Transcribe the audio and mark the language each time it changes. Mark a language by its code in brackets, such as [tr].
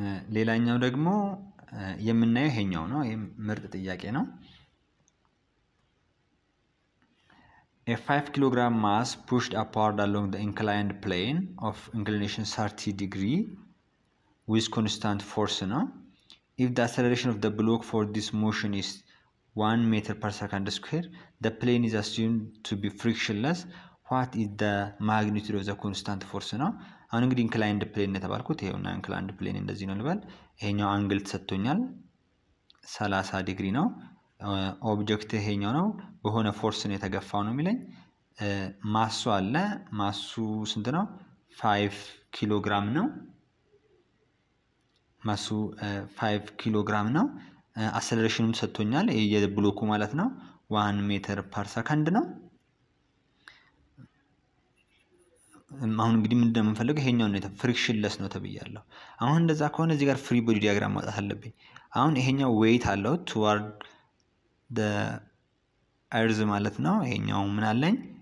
[am] ሌላኛው ደግሞ የምናየው ይሄኛው ነው። ይሄ ምርጥ ጥያቄ ነው። [en] A 5 kg mass pushed upward along the inclined plane of inclination 30 degree with constant force. No? If the acceleration of the block for this motion is 1 meter per second square, the plane is assumed to be frictionless. What is the magnitude of the constant force? No? [am] አሁን እንግዲህ inclined plane የተባልኩት ይሄው ነው። inclined plane እንደዚህ ነው ልበል። ይሄኛው አንግል ተሰጥቶኛል 30 ዲግሪ ነው። ኦብጀክት ይሄኛው ነው። በሆነ ፎርስ ነው የተገፋው ነው የሚለኝ። ማሱ አለ። ማሱ ስንት ነው? 5 ኪሎ ግራም ነው። ማሱ 5 ኪሎ ግራም ነው። አክሰለሬሽኑን ሰጥቶኛል የብሎኩ ማለት ነው። 1 ሜትር ፐር ሰከንድ ነው። አሁን እንግዲህ ምን እንደምንፈልገው ይሄኛው ነው። ፍሪክሽንለስ ነው ተብያለሁ። አሁን እንደዛ ከሆነ እዚህ ጋር ፍሪ ቦዲ ዲያግራም ማውጣት አለብኝ። አሁን ይሄኛው ዌይት አለው ቱዋርድ እርዝ ማለት ነው። ይሄኛው ምን አለኝ?